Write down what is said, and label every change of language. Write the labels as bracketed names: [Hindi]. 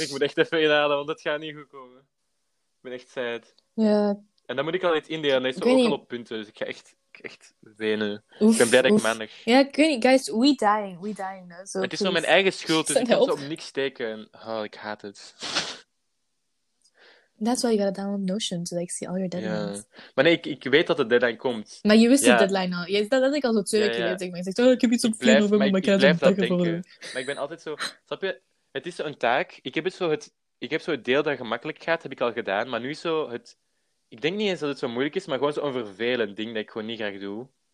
[Dutch] Ik moet echt even inhalen, want het gaat niet goed komen. Ik ben echt sad. Ja. En dan moet ik al iets indelen. En dat is ook niet... al op punten. Dus ik ga echt wenen. Oef, ik ben blij dat ik maandag... Ja, ik weet niet. [English] Guys, we dying. So [Dutch] het is nog mijn eigen schuld, dus ik kan ze op niks steken. Oh, ik haat het. [English] That's why you gotta download Notion, to like see all your deadlines. [Dutch] Ja. Maar nee, ik weet dat de deadline komt. Maar je wist de deadline al. Dat had ik al zo 2 keer gezegd. Ik zeg, oh, ik heb iets op 4 november, maar ik heb blijf dat denken. Maar ik ben altijd zo... Snap je? Het is zo'n taak. Ik heb het deel dat gemakkelijk gaat, heb ik al gedaan. Maar nu zo het... Ik denk niet eens dat het zo moeilijk is, maar gewoon zo'n vervelend ding dat ik gewoon niet graag doe.